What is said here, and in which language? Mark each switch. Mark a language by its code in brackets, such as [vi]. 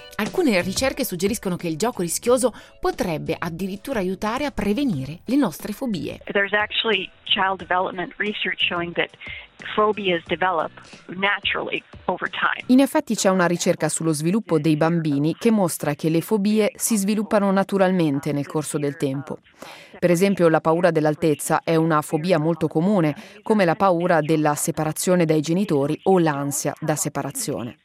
[it] Alcune ricerche suggeriscono che il gioco rischioso potrebbe addirittura aiutare a prevenire le nostre fobie. [en] There's actually child development research showing that phobias develop naturally over time. [it] In effetti c'è una ricerca sullo sviluppo dei bambini che mostra che le fobie si sviluppano naturalmente nel corso del tempo. Per esempio, la paura dell'altezza è una fobia molto comune, come la paura della separazione dai genitori o l'ansia da separazione.